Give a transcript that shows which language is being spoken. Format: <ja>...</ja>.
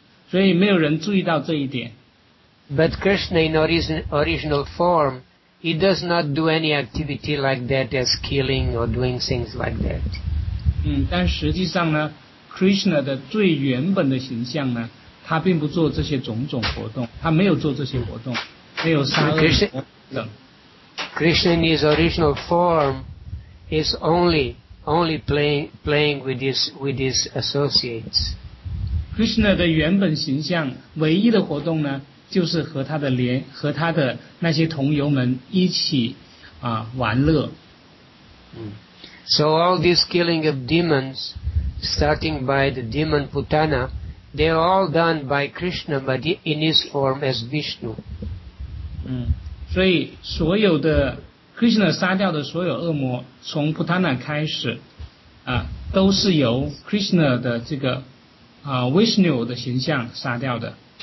<zh>所以没有人注意到这一点。</zh> <en>But Krishna in original form, he does not do any activity like that as killing or doing things like that.</en> <zh>但实际上呢 ,Krishna 的最原本的形象呢他并不做这些种种活动他没有做这些活动没有杀恶魔等。</zh> <en>Krishna in his original form is only playing with his associates.</en> <zh>Krishna 的原本形象唯一的活动呢就是和他的连和他的那些同游们一起玩乐。</zh> <en>So all this killing of demons, starting by the demon Putana, they're all done by Krishna, but in his form as Vishnu.</en> <zh>所以所有的 Krishna 杀掉的所有恶魔，从 Putana 开始，都是由 Krishna 的这个Vishnu 的形象杀掉的。</zh>